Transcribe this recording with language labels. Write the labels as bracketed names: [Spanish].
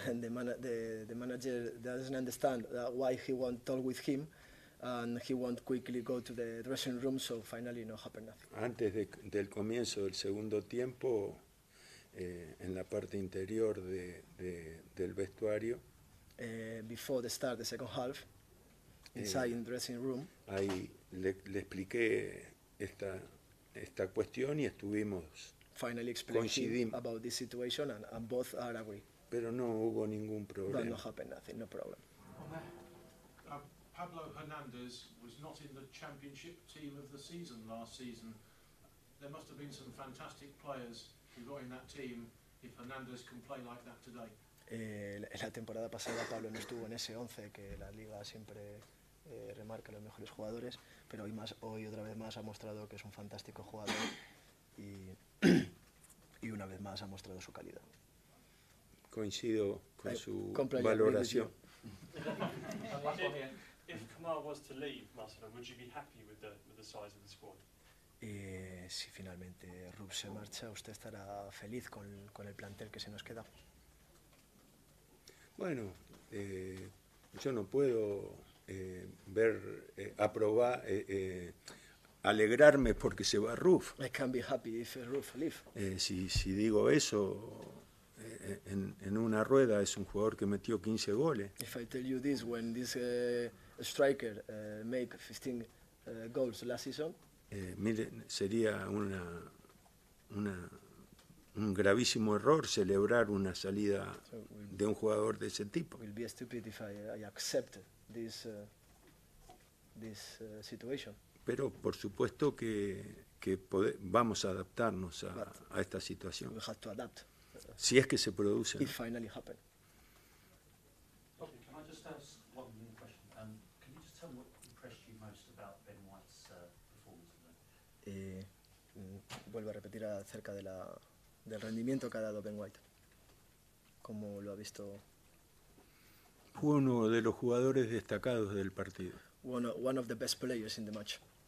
[English] And the manager doesn't understand why he won't talk with him, and he won't quickly go to the dressing room, so finally no happened nothing. [Spanish] Antes del comienzo del segundo tiempo, en la parte interior del vestuario, [English] before the start, the second half, inside in the dressing room, [Spanish] ahí le expliqué esta cuestión y estuvimos [English] finally explaining about this situation and both are agree. [Spanish] Pero no hubo ningún problema. [English] But no happened nothing, no problem. Pablo Hernandez was not in the championship team of the season last season. There must have been some fantastic players who got in that team if Hernandez can play like that today. [Spanish] La temporada pasada Pablo no estuvo en ese 11 que la liga siempre remarca los mejores jugadores, pero hoy otra vez más ha mostrado que es un fantástico jugador y una vez más ha mostrado su calidad. Coincido con su valoración. [English] If Kamal was to leave Marcelo, would you be happy with the size of the squad? [Spanish] Si finalmente Rub se marcha, ¿usted estará feliz con el plantel que se nos queda? Bueno, yo no puedo ver, aprobar, alegrarme porque se va Ruf. [English] I can't be happy if Ruf leaves. [Spanish] Si digo eso en una rueda, es un jugador que metió 15 goles. [English] If I tell you this when this striker make 15 goals last season, [Spanish] mire, sería un gravísimo error celebrar una salida de un jugador de ese tipo. [English] Will be stupid if I accept this. This situation. [Spanish] Pero por supuesto que vamos a adaptarnos a esta situación. [English] We have to adapt. [Spanish] Si es que se produce. [English] It finally happened. Okay, can I just ask one question? Can you just tell me what impressed you most about Ben White's performance? [Spanish] Vuelvo a repetir acerca de del rendimiento que ha dado Ben White. ¿Cómo lo ha visto? Fue uno de los jugadores destacados del partido. [English] One of the best players in the match.